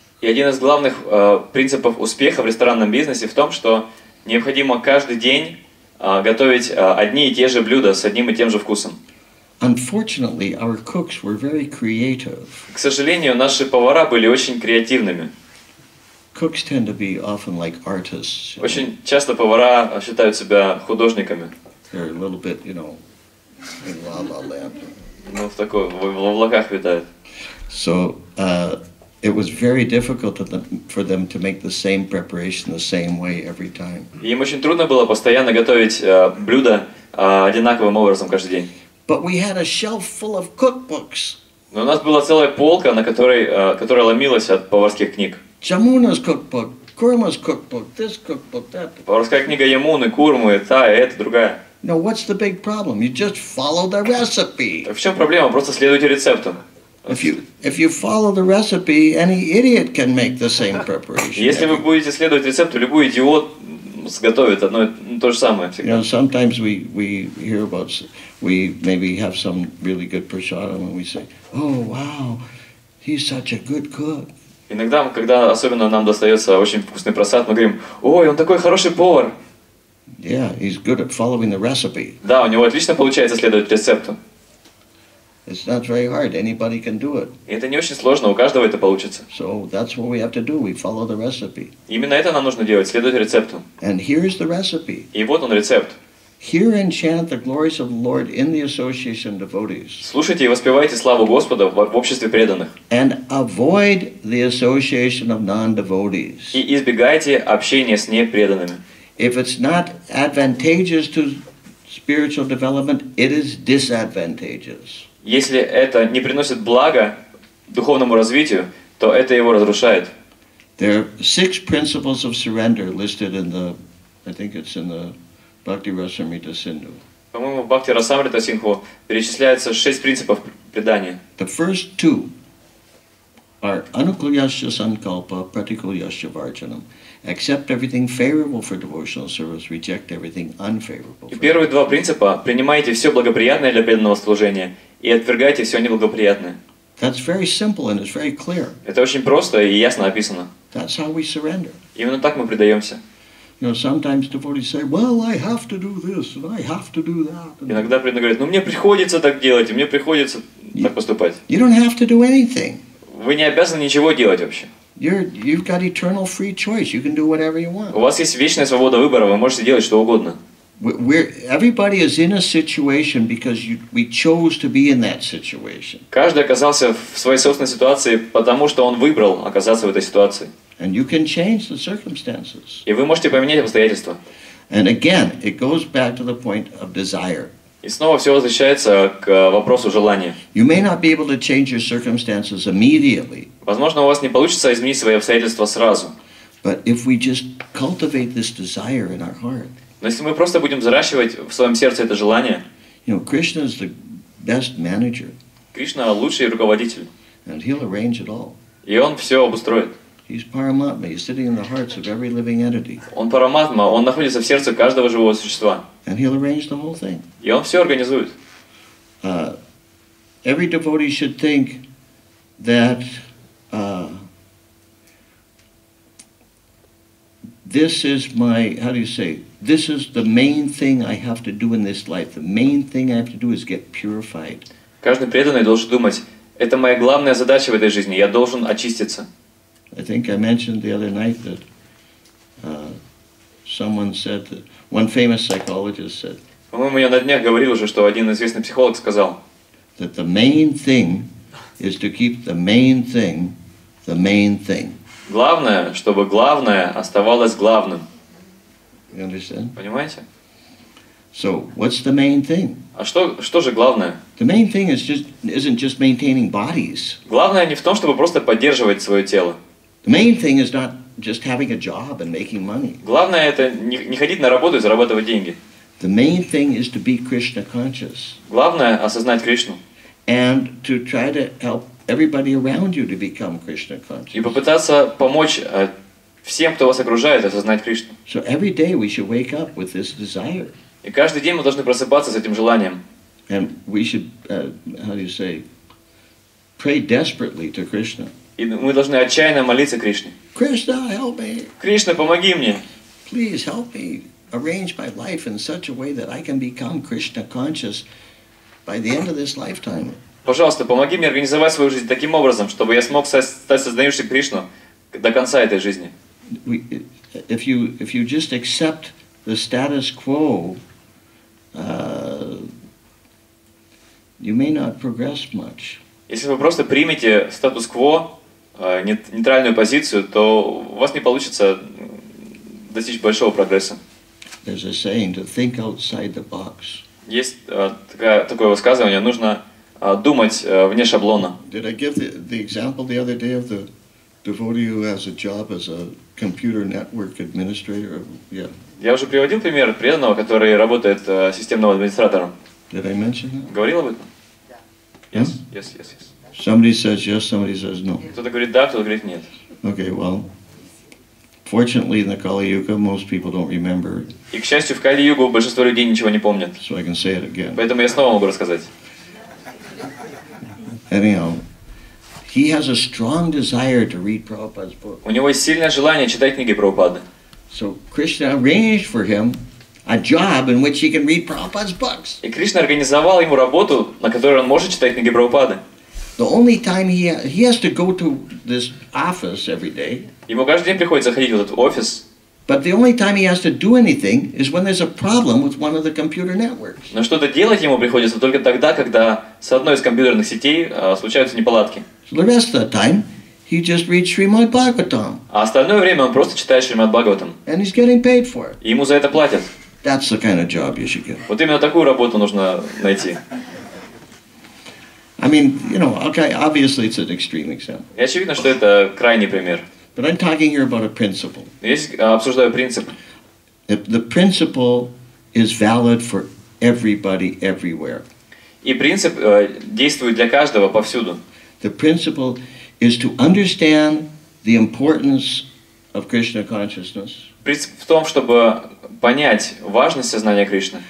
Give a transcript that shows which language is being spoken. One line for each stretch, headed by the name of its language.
Russian: И один из главных принципов успеха в ресторанном бизнесе в том, что необходимо каждый день готовить одни и те же блюда с одним и тем же вкусом.
English: Unfortunately, our cooks were very creative.
Russian: К сожалению, наши повара были очень креативными.
English: Cooks tend to be often like artists.
Russian: Очень часто повара считают себя художниками.
English: They're a little bit, you know, in la la land.
Russian: Ну в такой в облаках витают.
English: So it was very difficult for them to make the same preparation the same way every time.
Russian: Им очень трудно было постоянно готовить блюда одинаковым образом каждый день.
English: But we had a shelf full of cookbooks.
Russian: Но у нас была целая полка, на которой которая ломилась от поварских книг.
English: Jamuna's cookbook, Kurma's cookbook, this cookbook, that.
Russian: Поварская книга Ямуны, Курмы, та, это другая.
English: Now what's the big problem? You just follow the recipe.
Russian: В чем проблема? Просто следуйте рецепту.
English: If you follow the recipe, any idiot can make the same preparation.
Russian: Если вы будете следовать рецепту, любой идиот сготовит одно то же самое всегда.
English: You know, sometimes we hear about, we maybe have some really good prasadam and we say, oh wow, he's such a good cook.
Russian: Иногда, когда особенно нам достается очень вкусный просад, мы говорим, ой, он такой хороший повар.
English: Yeah, he's good at following the recipe.
Russian: Да, у него отлично получается следовать рецепту.
English: It's not very hard. Anybody can do it.
Russian: Это не очень сложно. У каждого это получится.
English: So that's what we have to do. We follow the recipe.
Russian: Именно это нам нужно делать. Следовать рецепту.
English: And here is the recipe.
Russian: И вот он рецепт.
English: Hear and chant the glories of the Lord in the association of devotees.
Russian: Слушайте и воспевайте славу Господа в обществе преданных.
English: And avoid the association of non-devotees.
Russian: И избегайте общения с непреданными.
English: If it's not advantageous to spiritual development, it is disadvantageous.
Russian: Если это не приносит блага духовному развитию, то это его разрушает.
English: There are six principles of surrender listed in the, I think it's in the Bhakti-rasamrita Sindhu.
Russian: По-моему, в Бхакти-расамрита Сингху перечисляется шесть принципов предания.
English: The first two are
Sanskrit: anukulyasya sankalpa, pratikulyasya varjanam.
English: Accept everything favorable for devotional service, reject everything unfavorable.
Russian: И первые два принципа: принимайте все благоприятное для преданного служения и отвергайте все неблагоприятное.
English: That's very simple and it's very clear.
Russian: Это очень просто и ясно описано.
English: That's how we surrender.
Russian: Именно так мы предаемся.
English: You know, sometimes devotees say, "Well, I have to do this and I have to do that."
Russian: Иногда преданные говорят: "Ну мне приходится так делать, мне приходится так поступать."
English: You don't have to do anything.
Russian: Вы не обязаны ничего делать вообще.
English: You've got eternal free choice. You can do whatever you want.
Russian: У вас есть вечная свобода выбора. Вы можете делать что угодно.
English: Everybody is in a situation because we chose to be in that situation.
Russian: Каждый оказался в своей собственной ситуации, потому что он выбрал оказаться в этой ситуации.
English: And you can change the circumstances.
Russian: И вы можете поменять обстоятельства.
English: And again, it goes back to the point of desire.
Russian: И снова все возвращается к вопросу желания.
English: You may not be able to change your circumstances immediately.
Russian: Возможно, у вас не получится изменить свои обстоятельства сразу.
English: But if we just cultivate this desire in our heart.
Russian: Но если мы просто будем взращивать в своем сердце это желание.
English: You know, Krishna is the best manager.
Russian: Кришна лучший руководитель.
English: And he'll arrange it all.
Russian: И он все обустроит.
English: He's Paramatma, he's sitting in the hearts of every living entity.
Russian: Он Параматма, он находится в сердце каждого живого существа.
English: And he'll arrange the whole thing.
Russian: И он все организует.
English: Every devotee should think that this is my, how do you say, this is the main thing I have to do in this life. The main thing I have to do is get purified.
Russian: Каждый преданный должен думать, это моя главная задача в этой жизни, я должен очиститься.
English: I think I mentioned the other night that someone said that one famous psychologist said.
Russian: По-моему, я на днях говорил уже, что один известный психолог сказал.
English: That the main thing is to keep the main thing the main thing.
Russian: Главное, чтобы главное оставалось главным.
English: You understand?
Russian: Понимаете?
English: So, what's the main thing?
Russian: А что же главное?
English: The main thing isn't just maintaining bodies.
Russian: Главное не в том, чтобы просто поддерживать свое тело.
English: The main thing is not just having a job and making money.
Russian: Главное это не ходить на работу и зарабатывать деньги.
English: The main thing is to be Krishna conscious.
Russian: Главное осознать Кришну.
English: And to try to help everybody around you to become Krishna conscious.
Russian: И попытаться помочь всем, кто вас окружает, осознать Кришну.
English: So every day we should wake up with this desire.
Russian: И каждый день мы должны просыпаться с этим желанием.
English: And we should, pray desperately to Krishna.
Russian: И мы должны отчаянно молиться Кришне.
English: Krishna, help me.
Russian: Кришна, помоги мне.
English: Please help me arrange my life in such a way that I can become Krishna conscious by the end of this lifetime.
Russian: Пожалуйста, помоги мне организовать свою жизнь таким образом, чтобы я смог стать сознающим Кришну до конца этой жизни.
English: If you just accept the status quo, you may not progress much.
Russian: Если вы просто примете статус-кво, нейтральную позицию, то у вас не получится достичь большого прогресса.
English: There's a saying to think outside the box.
Russian: Есть такое высказывание, нужно думать вне шаблона.
English: Did I give the example the other day of the devotee who has a job as a computer network administrator? Yeah.
Russian: Я уже приводил пример преданного, который работает системным администратором.
English: Did I mention that?
Russian: Говорил об этом?
English: Yes, yes, yes, yes. Somebody says yes, somebody says no.
Russian: Кто-то говорит да, кто-то говорит нет.
English: Okay, well, fortunately in the Kali Yuga most people don't remember.
Russian: И к счастью в Кали Югу большинство людей ничего не помнят.
English: So I can say it again.
Russian: Поэтому я снова могу рассказать.
English: Anyhow, he has a strong desire to read Prabhupada's book.
Russian: У него есть сильное желание читать книги Прабхупады.
English: So Krishna arranged for him a job in which he can read Prabhupada's books.
Russian: И Кришна организовал ему работу, на которой он может читать книги Прабхупады.
English: The only time he has to go to this office every day.
Russian: Ему каждый день приходится ходить в этот офис.
English: But the only time he has to do anything is when there's a problem with one of the computer networks.
Russian: Но что-то делать ему приходится только тогда, когда с одной из компьютерных сетей случаются неполадки.
English: So the rest of the time he just reads Srimad Bhagavatam.
Russian: А остальное время он просто читает Шримад Бхагаватам.
English: And he's getting paid for it.
Russian: И ему за это платят.
English: That's the kind of job you should get.
Russian: Вот именно такую работу нужно найти.
English: I mean, you know, okay, obviously it's an extreme example.
Russian: И очевидно, что это крайний пример.
English: But I'm talking here about a principle.
Russian: Я обсуждаю принцип.
English: The principle is valid for everybody everywhere.
Russian: И принцип действует для каждого повсюду.
English: The principle is to understand the importance of Krishna consciousness.
Russian: Принцип в том, чтобы понять важность сознания Кришны.